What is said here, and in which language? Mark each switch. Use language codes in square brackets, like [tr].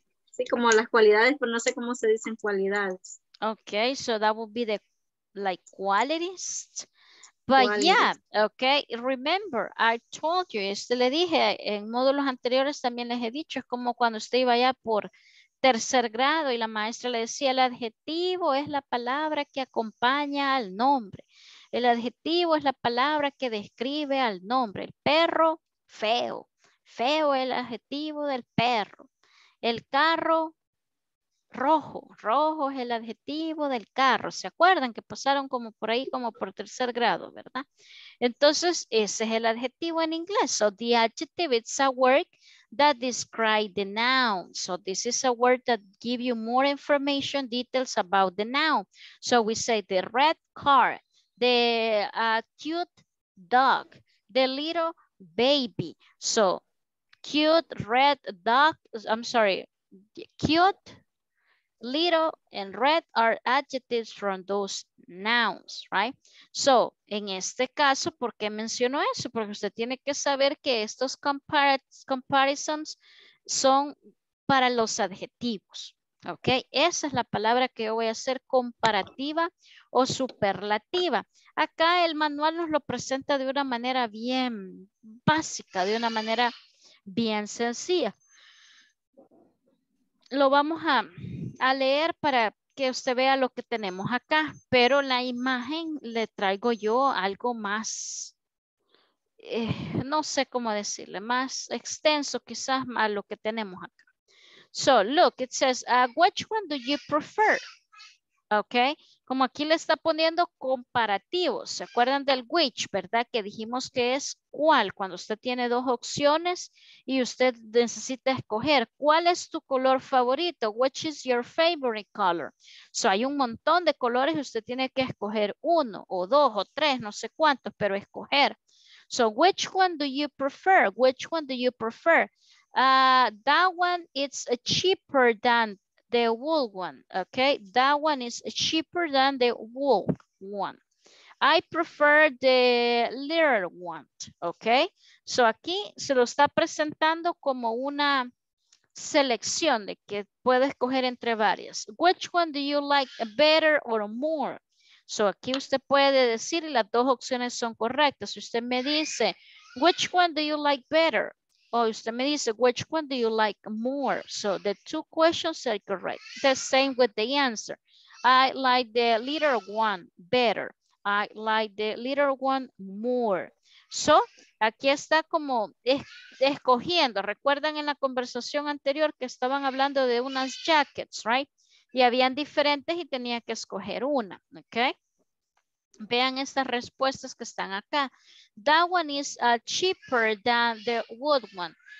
[es] Sí, como las cualidades, pero no sé cómo se dicen cualidades. [en] Okay, so that would be the like qualities. But qualities. Yeah, okay. Remember, I told you, [es] este le dije en módulos anteriores también les he dicho, es como cuando usted iba allá por tercer grado y la maestra le decía, el adjetivo es la palabra que acompaña al nombre. El adjetivo es la palabra que describe al nombre. El perro, feo. Feo es el adjetivo del perro. El carro rojo, rojo es el adjetivo del carro. ¿Se acuerdan que pasaron como por ahí, como por tercer grado, verdad? Entonces, ese es el adjetivo en inglés. [en] So, the adjective, it's a word that describes the noun. So, this is a word that gives you more information, details about the noun. So, we say the red car, the cute dog, the little baby. So, cute, red, dog, I'm sorry, cute, little, and red are adjectives from those nouns, right? [es] So, en este caso, ¿por qué menciono eso? Porque usted tiene que saber que estos comparisons son para los adjetivos, ¿ok? Esa es la palabra que yo voy a hacer, comparativa o superlativa. Acá el manual nos lo presenta de una manera bien básica, de una manera... bien sencilla. Lo vamos a leer para que usted vea lo que tenemos acá, pero la imagen le traigo yo algo más, no sé cómo decirle, más extenso quizás a lo que tenemos acá. [en] So, look, it says, which one do you prefer? [es] Ok, como aquí le está poniendo comparativos, ¿se acuerdan del which, verdad? Que dijimos que es cuál, cuando usted tiene dos opciones y usted necesita escoger, ¿cuál es tu color favorito? [en] Which is your favorite color? [es] So, hay un montón de colores y usted tiene que escoger uno o dos o tres, no sé cuántos, pero escoger. [en] So, which one do you prefer? Which one do you prefer? That one is cheaper than the wool one, okay? That one is cheaper than the wool one. I prefer the little one, okay? [es] So aquí se lo está presentando como una selección de que puede escoger entre varias. [en] Which one do you like better or more? [es] So aquí usted puede decir, las dos opciones son correctas. Usted me dice, [en] which one do you like better? [es] O usted me dice, [en] which one do you like more? So the two questions are correct. The same with the answer. I like the little one better. I like the little one more. [es] So, aquí está como escogiendo. Recuerdan en la conversación anterior que estaban hablando de unas jackets, right? Y habían diferentes y tenía que escoger una, ¿ok? Vean estas respuestas que están acá. [en] That one is cheaper than the wood one.